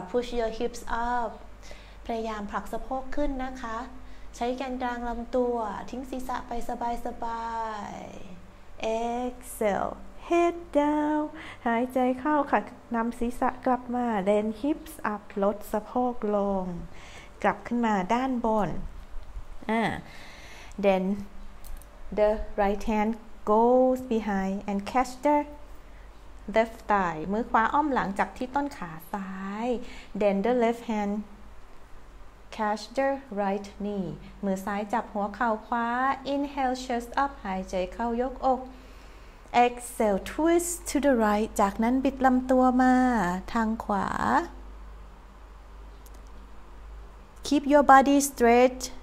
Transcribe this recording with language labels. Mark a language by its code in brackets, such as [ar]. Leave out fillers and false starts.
[en] Push your hips up. [th] พยายามผลักสะโพกขึ้นนะคะใช้แกนกลางลำตัวทิ้งศีรษะไปสบายๆ [en] Exhale. Head down. [th] หายใจเข้าค่ะนำศีรษะกลับมา [en] Then hips up. [th] ลดสะโพกลงกลับขึ้นมาด้านบน Then... [en] The right hand goes behind and catch the left thigh. [th] มือขวาอ้อมหลังจากที่ต้นขาซ้าย [en] Then the left hand catch the right knee. [th] มือซ้ายจับหัวเข่าขวา [en] Inhale, chest up. [th] หายใจเข้ายกอก [en] Exhale, twist to the right. [th] จากนั้นบิดลำตัวมาทางขวา [en] Keep your body straight.